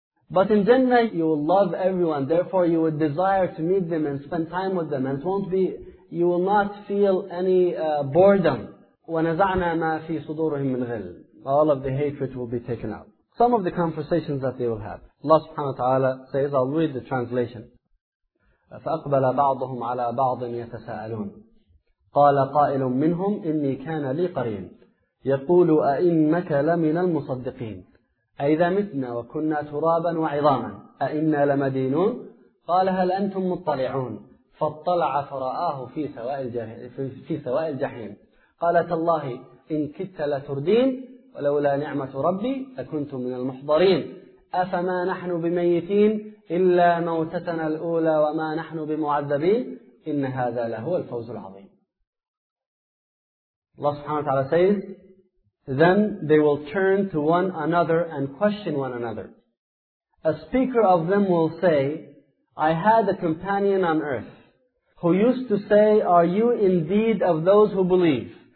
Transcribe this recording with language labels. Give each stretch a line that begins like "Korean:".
English: But in Jannah, you will love everyone. Therefore, you would desire to meet them and spend time with them. And it won't be... You will not feel any boredom.
Arabic: وَنَزَعْنَا مَا فِي صُدُورِهِمْ مِنْ غِلٍ.
English: All of the hatred will be taken out. Some of the conversations that they will have. Allah subhanahu wa ta'ala says, I'll read the translation.
Arabic: فَأَقْبَلَ بَعْضُهُمْ عَلَى بَعْضٍ يَتَسَأَلُونَ قَالَ قَائِلٌ مِّنْهُمْ إِنِّي كَانَ لِي قَرِينٌ يَقُولُ أَإِنَّكَ لَمِنَ الْمُصَدِّقِينَ أَإِذَا مِتْنَا وَكُنَّا تُرَابًا وَعِظَامًا أَإِنَّا لَمَدِينُونَ قَالَ هَلْ أَنْتُم مُطَّلِعُونَ فاطلع فرآه في سواء الجحيم قال تالله إن كدت لتردين ولولا نعمة ربي لكنت من المحضرين أفما نحن بميتين إلا موتتنا الأولى وما نحن بمعذبين إن هذا لهو الفوز العظيم.
English: Allah subhanahu wa ta'ala says, then they will turn to one another and question one another. A speaker of them will say, I had a companion on earth who used to say, are you indeed of those who believe?